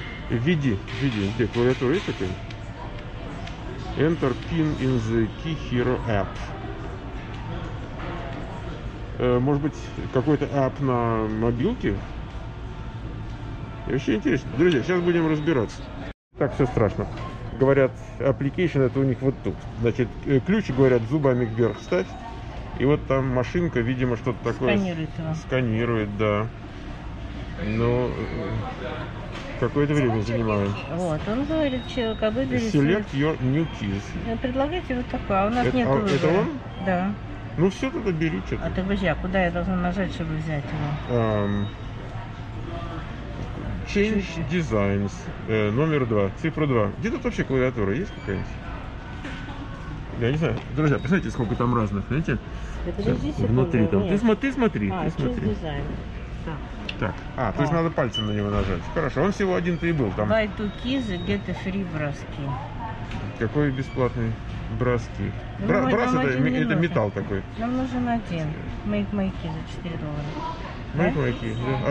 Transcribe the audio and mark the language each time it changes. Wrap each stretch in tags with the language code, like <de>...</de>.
<ru>Введи, введи, где клавиатура есть такая?</ru> <en>Enter PIN in the Key Hero app.</en> <ru>Может быть, какой-то app на мобилке? Вообще интересно. Друзья, сейчас будем разбираться. Так, все страшно. Говорят, application это у них вот тут. Значит, ключи, говорят, зубами вверх ставь. И вот там машинка, видимо, что-то такое... Сканирует его. Сканирует, да. Но... Какое-то время занимаем. Вот, он говорит, человек, а выберите...</ru> <en>Select your new keys.</en> <ru>Предлагайте вот такое, а у нас это, нет выбора. Это он? Да. Ну все, тогда бери что-то. А ты подожди, а куда я должна нажать, чтобы взять его? Change чуть-чуть. Designs, номер 2, цифра 2. Где тут вообще клавиатура, есть какая-нибудь? Я не знаю. Друзья, посмотрите, сколько там разных, знаете? Да подожди, внутри там. Нет. Ты смотри.</ru> <en>Change Designs.</en> <ru>Так, то есть надо пальцем на него нажать. Хорошо, он всего один-то и был там.</ru> <en>Buy two keys and get a free броски.</en> <ru>Какой бесплатный броски? Брас это металл такой. Нам нужен один.</ru> <en>Make my key</en> <ru>за $4.</ru> <en>Make my key,</en> <ru>да.</ru>